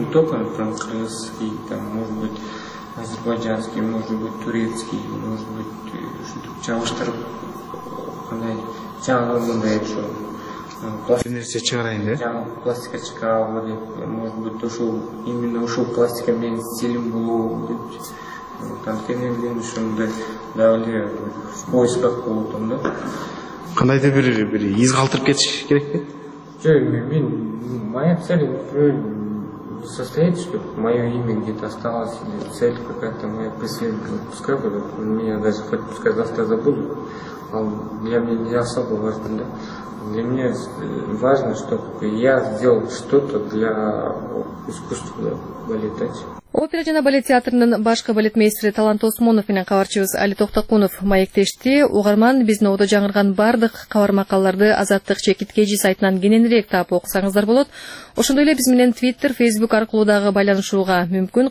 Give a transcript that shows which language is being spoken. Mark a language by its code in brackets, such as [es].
[ru] Не только кыргызский, там может быть азербайджанский, может быть турецкий, может быть [ky] ушинтип чагыштырып кандай жаңы мындай бир нерсе чыгарайын деп. Жаңы пластика чыгарабы деп, [ru] может быть [ky] ошол именно ошол пластика менен стилим болобу деп. Анткени мен ушундай дагы эле поисках болуп атам да. Кандайдыр бир из калтырып кетиш керекпи? Жок, мен [ru] моя цель не состоит, чтобы мое имя где-то осталось, или цель какая-то моя преследовала. Пускай будет, меня даже хоть пускай завтра забудут, а для меня не особо важно, да? Для меня важно, чтобы я сделал что-то для искусства, да, балетать. [ky] Опера жана балет театрынын башкы балетмейстери Талант Осмонов менен кабарчыбыз Али Токтокунов маектешти. Угарман, биздин одо жаңырган бардык кабар макалаларды Азаттык Чекит KG сайтынан кененирээк таап окусаңыздар болот. Ошондой эле биз менен Twitter, Facebook аркылуу дагы байланышууга мүмкүн.